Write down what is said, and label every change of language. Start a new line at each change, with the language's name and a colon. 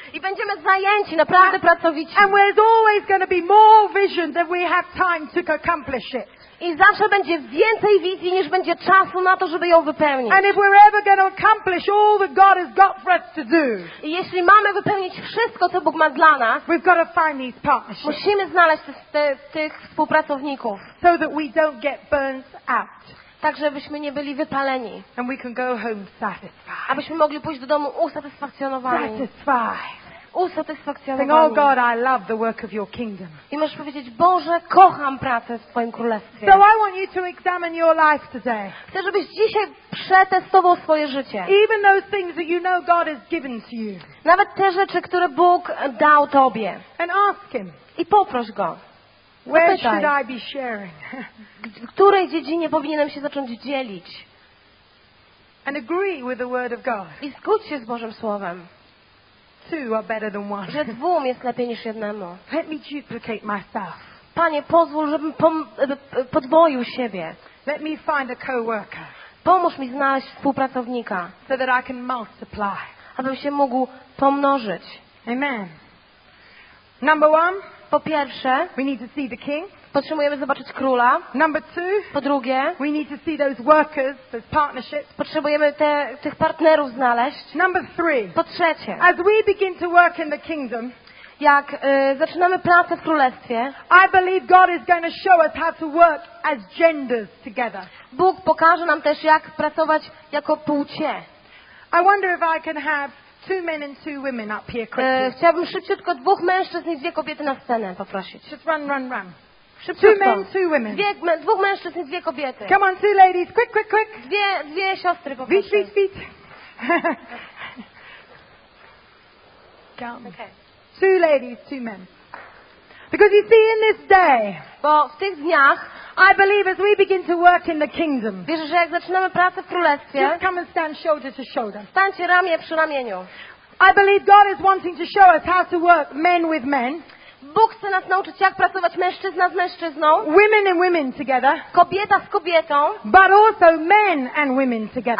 Polish: I będziemy zajęci, naprawdę pracowici.
English: And there's always going to be more vision than we have time to accomplish it.
Polish: I zawsze będzie więcej wizji, niż będzie czasu na to, żeby ją wypełnić.
English: And if we're ever going to accomplish all that God has got for us to do.
Polish: I jeśli mamy wypełnić wszystko, co Bóg ma dla nas,
English: we've got to find these partnerships.
Polish: Musimy znaleźć tych współpracowników.
English: So that we don't get burnt out.
Polish: Tak, żebyśmy nie byli wypaleni.
English: And we can go home satisfied.
Polish: Abyśmy mogli pójść do domu usatysfakcjonowani.
English: Satisfied.
Polish: Usatysfakcjonowani.
English: Saying, oh God, I love the work of your kingdom.
Polish: I możesz powiedzieć, Boże, kocham pracę w Twoim królestwie.
English: So I want you to examine your life today.
Polish: Chcę, żebyś dzisiaj przetestował swoje życie.
English: Even those things that you know God has given to you.
Polish: Nawet te rzeczy, które Bóg dał Tobie.
English: And ask Him.
Polish: I poproś Go.
English: Where should I be sharing?
Polish: W której dziedzinie powinienem się zacząć dzielić?
English: And agree with the word of God.
Polish: I zgódź się z Bożym słowem.
English: Two are better than one.
Polish: Że dwóm jest lepiej niż jednemu.
English: Let me duplicate myself.
Polish: Panie, pozwól, żebym podwoił siebie.
English: Let me find a coworker.
Polish: Pomóż mi znaleźć współpracownika.
English: So that I can multiply.
Polish: Abym się mógł pomnożyć.
English: Amen. Number one.
Polish: Po pierwsze,
English: we need to see the king.
Polish: Potrzebujemy zobaczyć króla.
English: Number two,
Polish: po drugie,
English: we need to see those workers, those partnerships.
Polish: Potrzebujemy tych partnerów znaleźć.
English: Number three,
Polish: po trzecie,
English: as we begin to work in the kingdom,
Polish: jak zaczynamy pracę w królestwie,
English: I believe God is going to show us how to work as genders together.
Polish: Bóg pokaże nam też, jak pracować jako płcie.
English: I wonder if I can have two men and two women up here quickly.
Polish: Chciałbym szybciutko dwóch mężczyzn i dwie kobiety na scenę poprosić.
English: Just run, run, run.
Polish: Szybciutko.
English: Two men, two women.
Polish: Dwóch mężczyzn i dwie kobiety.
English: Come on, two ladies, quick, quick, quick.
Polish: Dwie siostry poproszę.
English: Feet, feet, feet. Come. Okay. Two ladies, two men. Because you see, in this day,
Polish: bo w tych dniach,
English: I believe as we begin to work in the kingdom,
Polish: wierzę, że jak zaczynamy pracę w królestwie,
English: just come and stand shoulder to shoulder.
Polish: Stańcie ramię przy ramieniu.
English: I believe God is wanting to show us how to work men with men.
Polish: Bóg chce nas nauczyć, jak pracować mężczyzna z mężczyzną.
English: Women and women together.
Polish: Kobieta z kobietą.
English: But also men and women together.